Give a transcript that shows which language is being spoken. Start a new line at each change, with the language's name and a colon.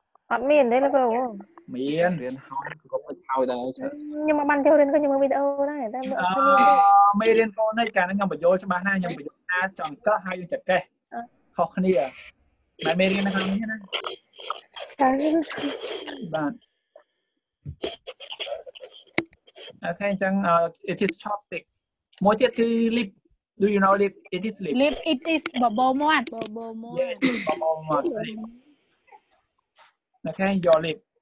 Khmer: អត់មានទេលោកគ្រូ មាន រៀនហើយគ្រប់ឲ្យហើយដែរ ខ្ញុំមកបានចូលរៀនខ្ញុំមើលវីដេអូដែរតែ អឺមេរៀនហ្វូនិចកាលហ្នឹងខ្ញុំបញ្យល់ច្បាស់ណាស់ខ្ញុំបញ្យល់ថាចង្កឹះហើយចង្កេះខុសគ្នាតែមេរៀនហ្នឹងហ្នឹងណា ចា បាទអូខេអញ្ចឹង
English: it is chopstick
Khmer: មួយទៀតគឺ
English: lip do you know lip it is lip lip it is
Khmer: បបោមាត់ប បោមាត់បបោមាត់
English: Okay, your lip.